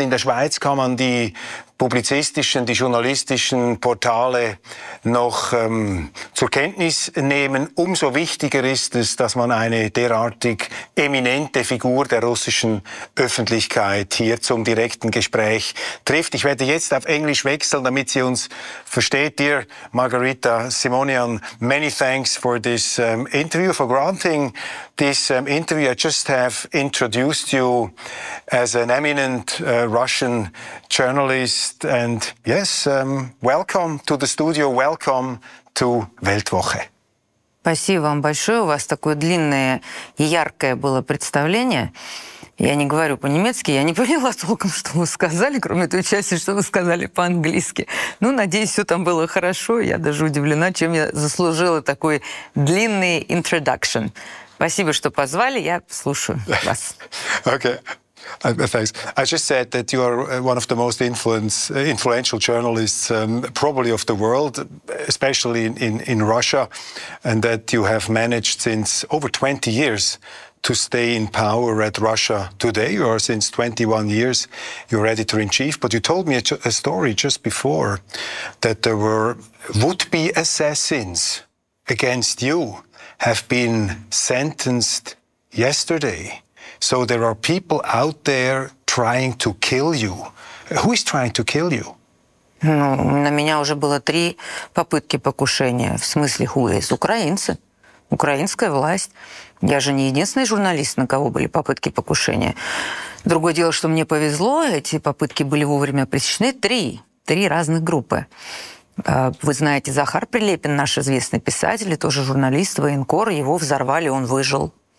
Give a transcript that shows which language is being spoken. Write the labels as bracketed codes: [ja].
[de] In der Schweiz kann man die publizistischen, die journalistischen Portale noch zur Kenntnis nehmen. Umso wichtiger ist es, dass man eine derartig eminente Figur der russischen Öffentlichkeit hier zum direkten Gespräch trifft. Ich werde jetzt auf Englisch wechseln, damit sie uns versteht. [en] Dear Margarita Simonian, many thanks for this interview, for granting this interview. I just have introduced you as an eminent Russian journalist. And yes, welcome to the studio, welcome to Weltwoche. [ru] Спасибо вам большое. У вас такое длинное и яркое было представление. Я не говорю по-немецки, я не поняла толком, что вы сказали, кроме той части, что вы сказали по-английски. Ну, надеюсь, все там было хорошо. Я даже удивлена, чем я заслужила такой длинный introduction. Спасибо, что позвали, я слушаю вас. [en] Okay. Thanks. I just said that you are one of the most influential journalists, probably of the world, especially in Russia, and that you have managed since over 20 years to stay in power at Russia Today, or since 21 years, you're editor-in-chief. But you told me a story just before that there were would-be assassins against you have been sentenced yesterday. So there are people out there trying to kill you. Who is trying to kill you? [ru] Ну, на меня уже было три попытки покушения. В смысле, [en] who is? [ru] Украинцы. Украинская власть. Я же не единственный журналист, на кого были попытки покушения. Другое дело, что мне повезло, эти попытки были вовремя пресечены. Три разных группы. Вы знаете, Захар Прилепин, наш известный писатель, и тоже журналист, военкор, его взорвали, он выжил.